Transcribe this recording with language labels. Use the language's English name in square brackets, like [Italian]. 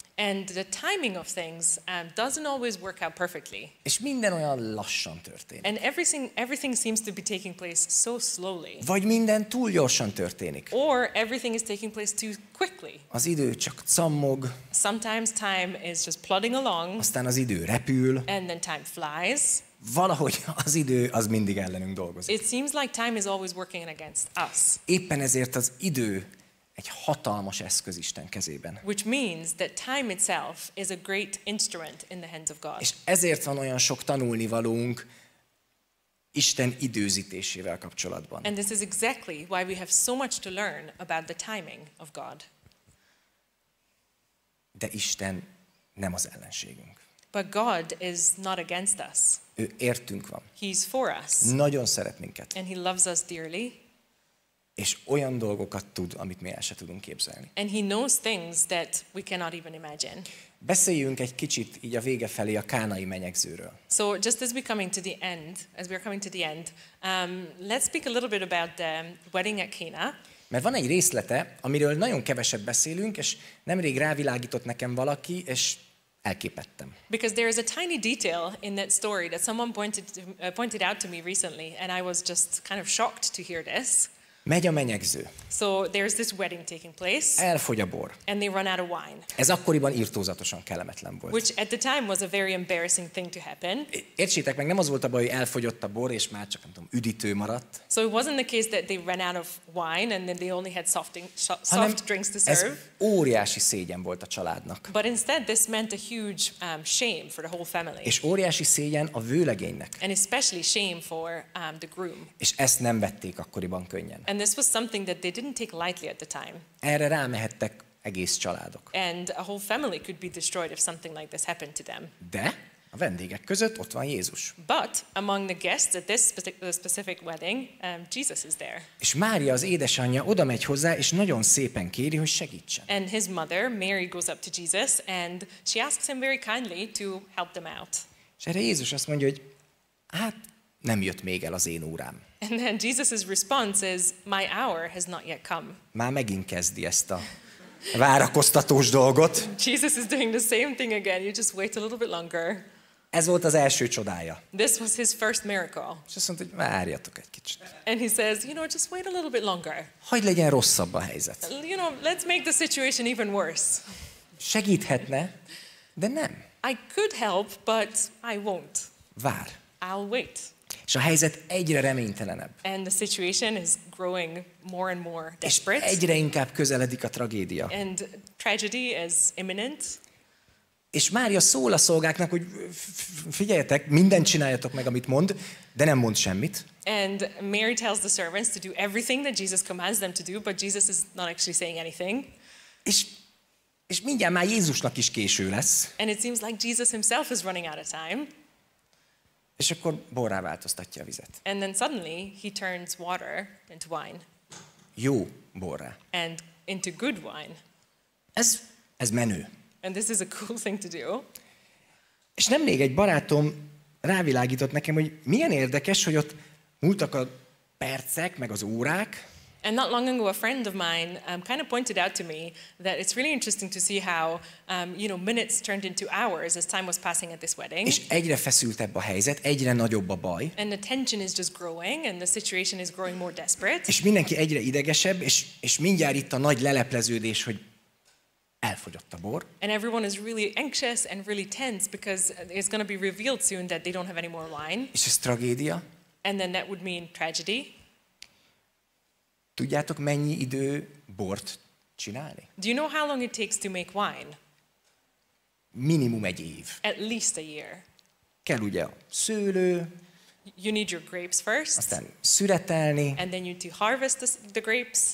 [English] And the timing of things doesn't always work out perfectly. [Hungarian] És minden olyan lassan történik. [English] And everything seems to be taking place so slowly. [Hungarian] Vagy minden túl gyorsan történik. [English] Or everything is taking place too quickly. [Hungarian] Az idő csak cammog. [English] Sometimes time is just plodding along. [Hungarian] Aztán az idő repül. [English] And then time flies. [Hungarian] Valahogy az idő az mindig ellenünk dolgozik. [English] It seems like time is always working against us. [Hungarian] Éppen ezért az idő egy hatalmas eszköz Isten kezében. [English] Which means that time itself is a great instrument in the hands of God. [Hungarian] És ezért van olyan sok tanulnivalónk Isten időzítésével kapcsolatban. [English] And this is exactly why we have so much to learn about the timing of God. [Hungarian] De Isten nem az ellenségünk. [English] But God is not against us. [Hungarian] Ő értünk van. [English] He's for us. [Hungarian] Nagyon szeret minket. [English] And he loves us dearly. [Hungarian] És olyan dolgokat tud, amit mi el se tudunk képzelni. [English] And he knows things that we cannot even imagine. [Hungarian] Beszéljünk egy kicsit így a vége felé a kánai menyegzőről. [English] So just as we're coming to the end, let's speak a little bit about the wedding at Cana. [Hungarian] Mert van egy részlete, amiről nagyon keveset beszélünk, és nemrég rávilágított nekem valaki, és elképedtem. [English] Because there is a tiny detail in that story that someone pointed out to me recently, and I was just kind of shocked to hear this. [Hungarian] Megy a menyegző. [English] So there's this wedding taking place. [Hungarian] Elfogy a bor. [English] And they run out of wine. [Hungarian] Ez akkoriban irtózatosan kellemetlen volt. [English] Which at the time was a very embarrassing thing to happen. [Hungarian] Értsétek meg, nem az volt a baj, hogy elfogyott a bor és már csak nem tudom, üdítő maradt. [English] So it wasn't the case that they ran out of wine and then they only had soft drinks to serve. [Hungarian] Ez óriási szégyen volt a családnak. [English] But instead this meant a huge shame for the whole family. [Hungarian] És óriási szégyen a vőlegénynek. [English] And especially shame for the groom. [Hungarian] És ezt nem vették akkoriban könnyen. [English] And this was something that they didn't take lightly at the time. [Hungarian] Erre rámehettek egész családok. [English] And a whole family could be destroyed if something like this happened to them. [Hungarian] De a vendégek között ott van Jézus. [English] But among the guests at this specific wedding, Jesus is there. [Hungarian] És Mária az édesanyja oda megy hozzá és nagyon szépen kéri, hogy segítsen. [English] And his mother, Mary, goes up to Jesus and she asks him very kindly to help them out. [Hungarian] És erre Jézus azt mondja, hogy nem jött még el az én órám. [English] And then Jesus' response is, my hour has not yet come. [Hungarian] Már megint kezdi ezt a várakoztatós dolgot. [English] Jesus is doing the same thing again, you just wait a little bit longer. [Hungarian] Ez volt az első csodája. [English] This was his first miracle. [Hungarian] És azt mondta, hogy várjatok egy kicsit. [English] And he says, you know, just wait a little bit longer. [Hungarian] Hogy legyen rosszabb a helyzet. [English] You know, let's make the situation even worse. [Hungarian] Segíthetne, de nem. [English] I could help, but I won't. [Hungarian] Vár. [English] I'll wait. [Hungarian] És a helyzet egyre reménytelenebb. [English] And the situation is growing more and more desperate. [Hungarian] És egyre inkább közeledik a tragédia. [English] And tragedy is imminent. [Hungarian] És Mária szól a szolgáknak, hogy figyeljetek, mindent csináljatok meg, amit mond, de nem mond semmit. [English] And Mary tells the servants to do everything that Jesus commands them to do, but Jesus is not actually saying anything. [Hungarian] És mindjárt már Jézusnak is késő lesz. [English] And it seems like Jesus himself is running out of time. [Hungarian] És akkor borrá változtatja a vizet. [English] And then suddenly he turns water into wine. [Hungarian] Jó borrá. [English] And into good wine. [Hungarian] Ez menő. [English] And this is a cool thing to do. [Hungarian] És nemrég egy barátom rávilágított nekem, hogy milyen érdekes, hogy ott múltak a percek, meg az órák. [English] And not long ago a friend of mine kind of pointed out to me that it's really interesting to see how you know, minutes turned into hours as time was passing at this wedding. [Hungarian] És egyre feszültebb a helyzet, egyre nagyobb a baj. [English] And the tension is just growing and the situation is growing more desperate. [Hungarian] És mindenki egyre idegesebb, és mindjárt itt a nagy lelepleződés, hogy elfogyott a bor. [English] And everyone is really anxious and really tense because it's going to be revealed soon that they don't have any more wine. [Hungarian] És ez tragédia. [English] And then that would mean tragedy. [Hungarian] Tudjátok, mennyi idő bort csinálni? [English] Do you know how long it takes to make wine? [Hungarian] Minimum egy év. [English] At least a year. [Hungarian] Kell ugye a szőlő. [English] You need your grapes first. [Hungarian] Aztán szüretelni. [English] And then you need to harvest the grapes.